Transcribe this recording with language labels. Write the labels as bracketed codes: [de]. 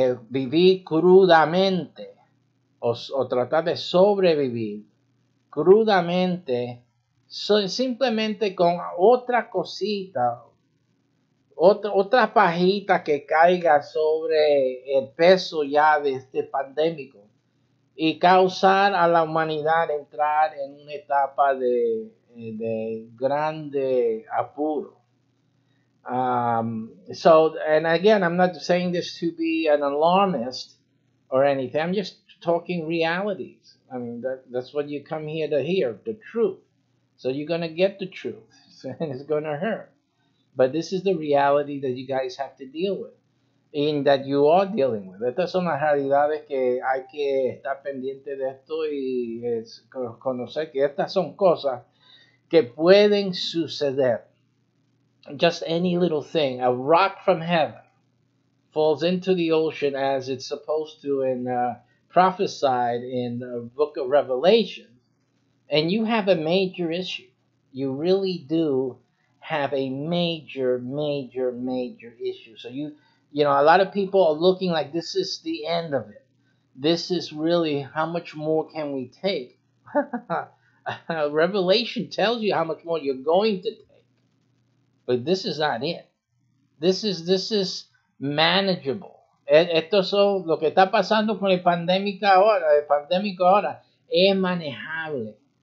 [es] vivir crudamente o tratar de sobrevivir crudamente, simplemente con otra cosita, otra pajita que caiga sobre el peso ya de este pandémico y causar a la humanidad entrar en una etapa de grande apuro. [en] So, and again, I'm not saying this to be an alarmist or anything. I'm just talking realities. I mean, that's what you come here to hear, the truth. So you're going to get the truth, and it's going to hurt. But this is the reality that you guys have to deal with, and that you are dealing with. [es] Estas son las realidades que hay que estar pendiente de esto y es conocer que estas son cosas que pueden suceder. [en] Just any little thing. A rock from heaven falls into the ocean as it's supposed to in prophesied in the book of Revelation. And you have a major issue. You really do have a major, major, major issue. So you know, a lot of people are looking like this is the end of it. This is really, how much more can we take? Revelation tells you how much more you're going to take. But this is not it. This is manageable. [es] Esto es lo que está pasando con el pandémico ahora es manejable.